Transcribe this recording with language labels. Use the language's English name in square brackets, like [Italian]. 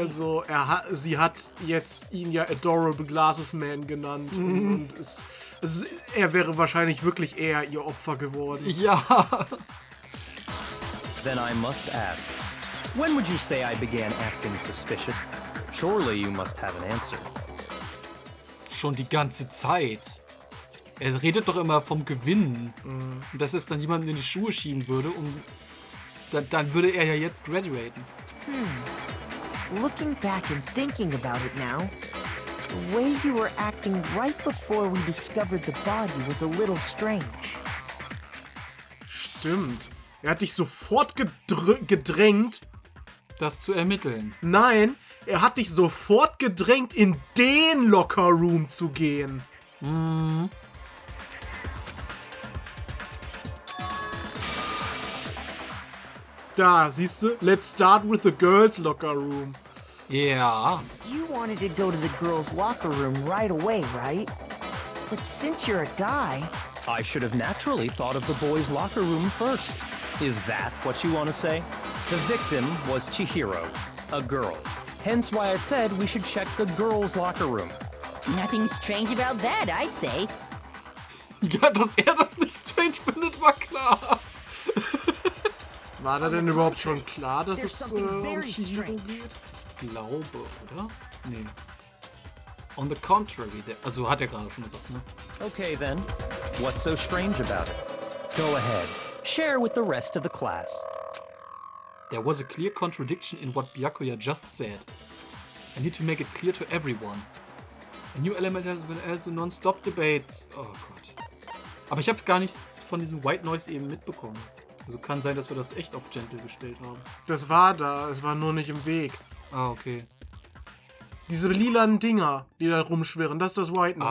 [German] also, sie hat jetzt ihn ja Adorable Glasses Man genannt. Und er wäre wahrscheinlich wirklich eher ihr Opfer geworden. Ja. [English] Then I must ask, when would you say I began acting suspicious? Surely you must have an answer. [German] Schon die ganze Zeit. Er redet doch immer vom Gewinnen. Und dass es dann jemanden in die Schuhe schieben würde, um... Dann würde er ja jetzt graduaten. [English] Looking back and thinking about it now, the way you were acting right before we discovered the body was a little strange. [German] Stimmt. Er hat dich sofort gedrängt, das zu ermitteln. Nein, er hat dich sofort gedrängt, in den Locker Room zu gehen. Da, siehst du? [English] Let's start with the girls' locker room. Yeah. You wanted to go to the girls' locker room right away, right? But since you're a guy... I should have naturally thought of the boys' locker room first. Is that what you want to say? The victim was Chihiro, a girl. Hence why I said we should check the girls' locker room. Nothing strange about that, I'd say. [German] Ja, dass er das nicht strange findet, war klar. War da denn überhaupt schon klar, dass es um Chihiro geht? Ich glaube, oder? Nee. [English] On the contrary, [German] also hat er gerade schon gesagt, ne? [English] Okay then. What's so strange about it? Go ahead. Share with the rest of the class. There was a clear contradiction in what Byakuya just said. I need to make it clear to everyone. A new element has been added to non-stop debates. [German] Oh Gott. Aber ich habe gar nichts von diesem White Noise eben mitbekommen. Also kann sein, dass wir das echt auf Gentle gestellt haben. Das war da, es war nur nicht im Weg. Ah, okay. Diese lilanen Dinger, die da rumschwirren, das ist das White Noise.